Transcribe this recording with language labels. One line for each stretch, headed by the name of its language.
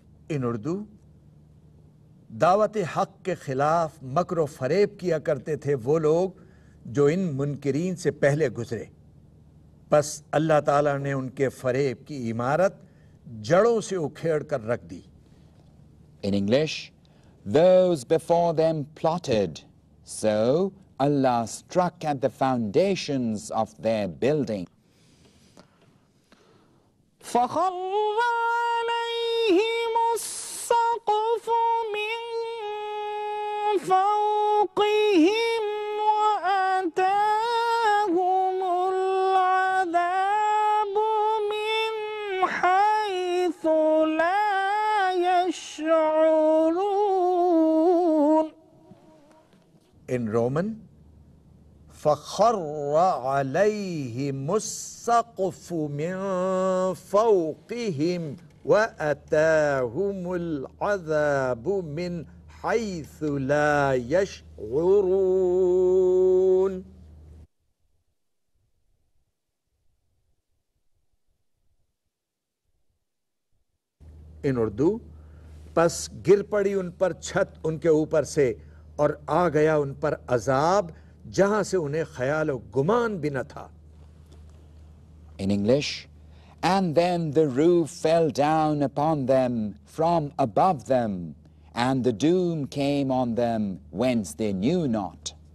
English: In Urdu,
Urdu: دعوت حق کے خلاف مکر و فریب کیا کرتے تھے وہ لوگ جو ان منکرین سے پہلے گزرے, پس اللہ تعالیٰ نے ان کے فریب کی عمارت جڑوں سے اکھیڑ کر رکھ دی.
English: In English, those before them plotted, so Allah struck at the foundations of their building.
Arabic: فخر عليهم السقف من فوقهم وأتاهم العذاب من حيث لا يشعرون.
English: In Roman,
Arabic: فخر عليهم السقف من فوقهم وأتاهم العذاب من حيث لا يشعرون.
English: In Urdu,
Urdu: پس گر پڑی ان پر چھت ان کے اوپر سے اور آ گیا ان پر عذاب جہاں سے انہیں خیال و گمان بھی نہ تھا.
English: In English, and then the roof fell down upon them from above them, and the doom came on them whence they knew not.